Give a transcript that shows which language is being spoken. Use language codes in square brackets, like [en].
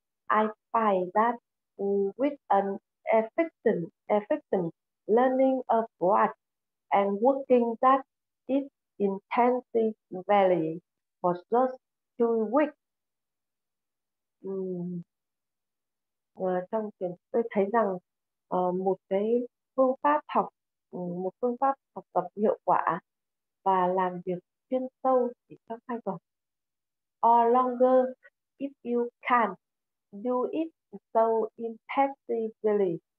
[en] I find that with an efficient learning approach and working that is intensively for just 2 weeks. [vi] Trong trường tôi thấy rằng một phương pháp học tập hiệu quả và làm việc chuyên sâu chỉ trong 2 tuần. [en] Or longer if you can do it so intensively.